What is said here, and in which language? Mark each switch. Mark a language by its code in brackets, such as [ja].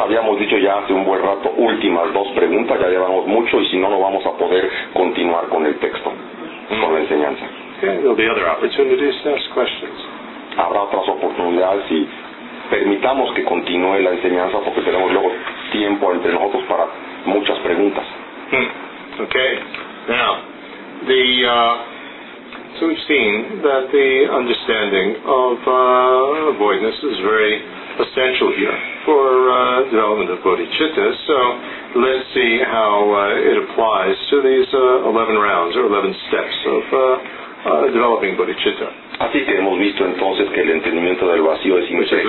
[es] Habíamos dicho ya hace un buen rato, últimas dos preguntas, ya llevamos mucho y si no, no vamos a poder continuar con el texto, con la enseñanza. [en] There'll be other opportunities to ask questions. [es] Habrá otras oportunidades y permitamos que continúe la enseñanza porque tenemos luego tiempo entre nosotros para muchas preguntas. [en] Okay. Now, so we've seen that the understanding of voidness is very essential here for development of bodhicitta. So let's see how it applies to these 11 rounds or 11 steps of developing bodhicitta. [es] Así que hemos visto entonces que el entendimiento del vacío es imprescindible.